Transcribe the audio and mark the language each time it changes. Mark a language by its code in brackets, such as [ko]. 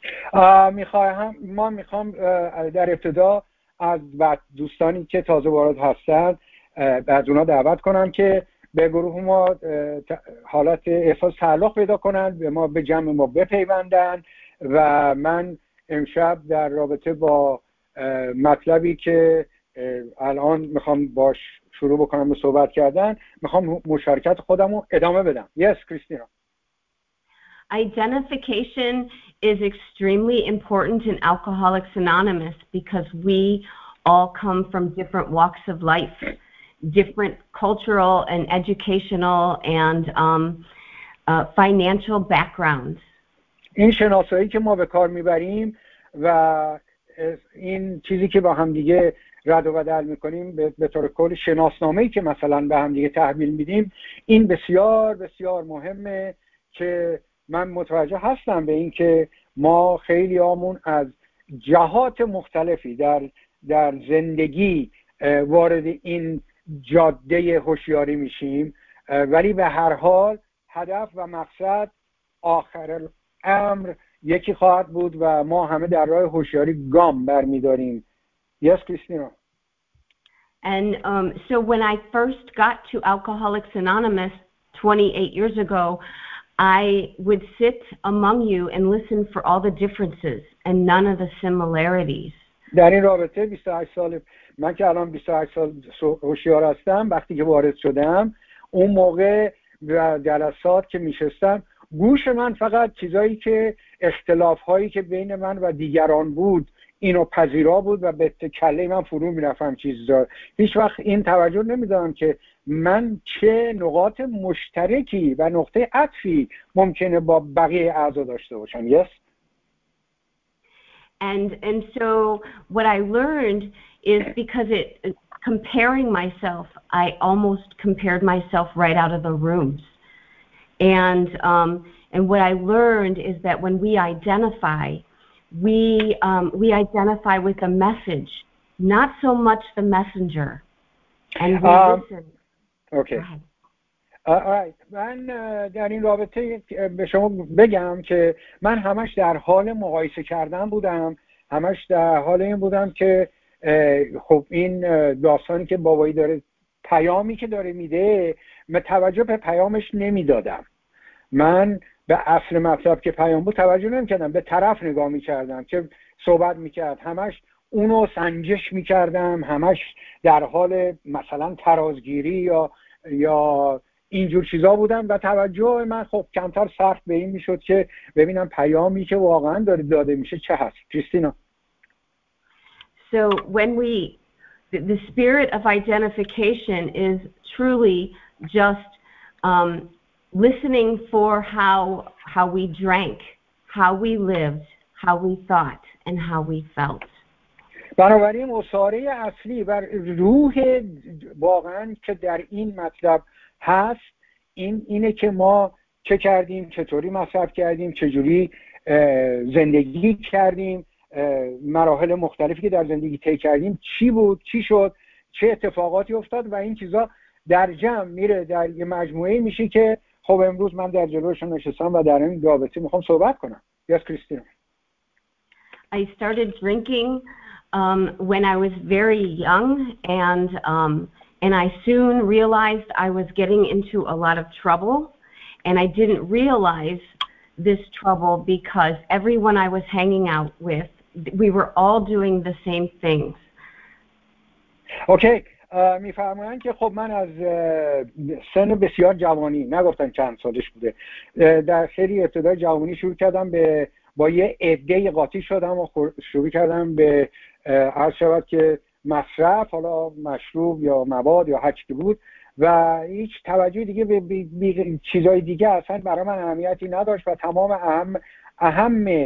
[fa] میخوام در ابتدا از دوستانی که تازه وارد هستن از اونا دعوت کنم که به گروه ما حالت احساس تعلق پیدا کنن، به ما، به جمع ما بپیوندن. و من امشب در رابطه با مطلبی که الان میخوام باش شروع بکنم به صحبت کردن، میخوام مشارکت خودم رو ادامه بدم. [en] Yes, Christina. Identification is extremely important in Alcoholics Anonymous because we all come from different walks of life, different cultural and educational and financial backgrounds. [fa] این شناسایی که ما به کار میبریم و این چیزی که با هم دیگه رد و بدل میکنیم، به طور کل شناسنامه‌ای که مثلا به هم دیگه تحویل میدیم، این بسیار بسیار مهمه که من متوجه هستم به این که ما خیلی آمون از جهات مختلفی در زندگی وارد این جاده هوشیاری میشیم، ولی به هر حال هدف و مقصد آخر امر یکی خواهد بود و ما همه در راه هوشیاری گام برمیداریم. [en] Yes, Christina. And so when I first got to Alcoholics Anonymous 28 years ago, I would sit among you and listen for all the differences and none of the similarities. [fa] در این رابطه 28 سال من که الان 28 سال هوشیار هستم، وقتی که وارد شدم اون موقع در جلسات که میشستم، گوش من فقط چیزایی که اختلاف هایی که بین من و دیگران بود اینو پذیرا بود و به کله من فرو می‌رفتم چیز دار. هیچ وقت این توجه نمی‌دادم که من چه نقاط مشترکی و نقطه عطفی ممکنه با بقیه اعضا داشته باشم. [en] Yes. And so what I learned is because it comparing myself, I almost compared myself right out of the rooms. And what I learned is that when we identify, we identify with a message, not so much the messenger. And we listen. Okay. [fa] آره من در این رابطه به شما بگم که من همش در حال مقایسه کردن بودم، همش در حال این بودم که خب این داستانی که بابایی داره، پیامی که داره میده، من توجه به پیامش نمیدادم، من به اصل مطلب که پیام بود توجه نمیکردم، به طرف نگاه میکردم که صحبت میکرد، همش اونو سنجش میکردم، همش در حال مثلا ترازگیری یا اینجور چیزا بودم و توجه من خب کمتر صرف به این میشد که ببینم پیامی که واقعا داره داده میشه چه هست. کریستینا. [en] So when we, the spirit of identification is truly just listening for how we drank, how we lived, how we thought, and how we felt. [fa] بنابراین اصاره اصلی و روح واقعا که در این مطلب هست اینه که ما چه کردیم، چطوری مصرف کردیم، چجوری زندگی کردیم، مراحل مختلفی که در زندگی طی کردیم چی بود، چی شد، چه اتفاقاتی افتاد و این چیزا در جمع میره در یه مجموعه میشه که خب امروز من در جلوشون نشستم و در این رابطه میخوام صحبت کنم. [en] Yes Christina. I started drinking when I was very young and I soon realized I was getting into a lot of trouble and I didn't realize this trouble because everyone I was hanging out with, we were all doing the same things. Okay. [fa] میفرمایند که خب من از سن بسیار جوانی، نگفتن چند سالش بوده، در خیلی ابتدای جوانی شروع کردم به با یه عده قاطی شدم و شروع کردم به عرض شود که مصرف، حالا مشروب یا مواد یا هرچی بود و هیچ توجه دیگه به چیزهای دیگه اصلا برای من اهمیتی نداشت و تمام اهم